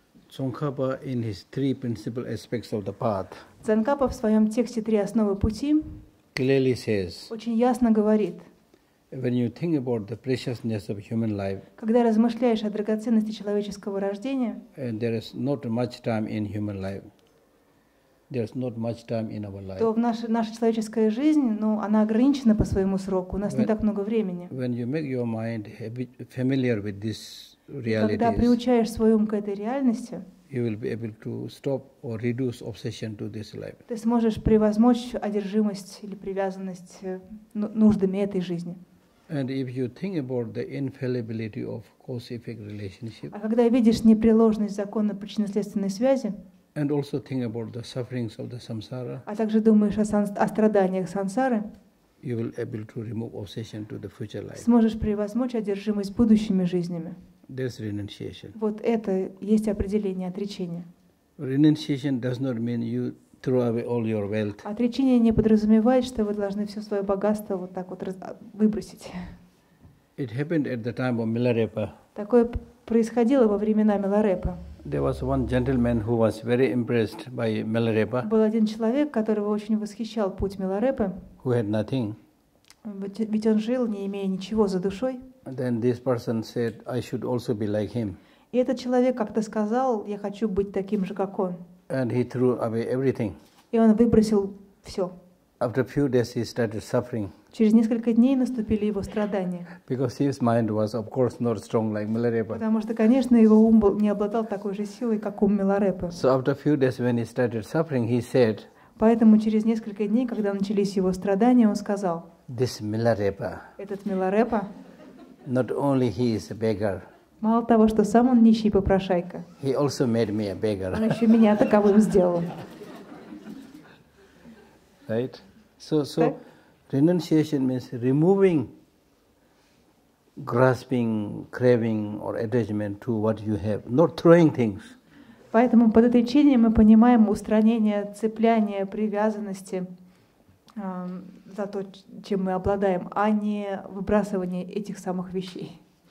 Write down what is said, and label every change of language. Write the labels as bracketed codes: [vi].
[en] Tsongkhapa in his three principal aspects of the path. [ru] Tsongkhapa в своем тексте «Три основы пути» [en] clearly says. [ru] Очень ясно говорит. [en] When you think about the preciousness of human life. [ru] Когда размышляешь о драгоценности человеческого рождения. [en] There is not much time in human life. There's not much time in our life. [ru] То в наша человеческая жизнь, ну, она ограничена по своему сроку. У нас не так много времени. [en] When you make your mind familiar with this reality. [ru] Когда приучаешь свой ум к этой реальности. [en] You will be able to stop or reduce obsession to this life. [ru] Ты сможешь превозмочь одержимость или привязанность нуждами этой жизни. [en] And if you think about the infallibility of cause-effect relationship. [ru] А когда видишь непреложность закона причинно-следственной связи. [en] And also think about the sufferings of the samsara. [ru] А также думаешь о страданиях сансары. [en] You will be able to remove obsession to the future life. [ru] Сможешь превозмочь одержимость будущими жизнями. [en] There's renunciation. [ru] Вот это есть определение отречения. [en] Renunciation does not mean you throw away all your wealth. [ru] Отречение не подразумевает, что вы должны все свое богатство вот так вот выбросить. [en] It happened at the time of Milarepa. [ru] Такое происходило во времена Миларепы. [en] There was one gentleman who was very impressed by Milarepa. [ru] Был один человек, которого очень восхищал путь Миларепы. [en] Who had nothing. [ru] Ведь он жил, не имея ничего за душой. [en] And then this person said, I should also be like him. [ru] И этот человек как-то сказал, я хочу быть таким же, как он. [en] And he threw away everything. [ru] И он выбросил все. [en] After a few days, he started suffering. [ru] Через несколько дней наступили его страдания. [en] Because his mind was, of course, not strong like Milarepa. [ru] Потому что, конечно, его ум не обладал такой же силой, как ум Миларепы. [en] So after a few days, when he started suffering, he said. [ru] Поэтому через несколько дней, когда начались его страдания, он сказал. [en] This Milarepa. [ru] Этот Миларепа. [en] Not only he is a beggar. [ru] Мало того, что сам он нищий попрошайка. [en] He also made me a beggar. [ru] Он еще меня таковым сделал. [en] Right? So renunciation means removing grasping, craving or attachment to what you have, not throwing things. [ru] Поэтому под отречением мы понимаем устранение цепляния привязанности за то, чем мы обладаем, а не выбрасывание этих самых вещей.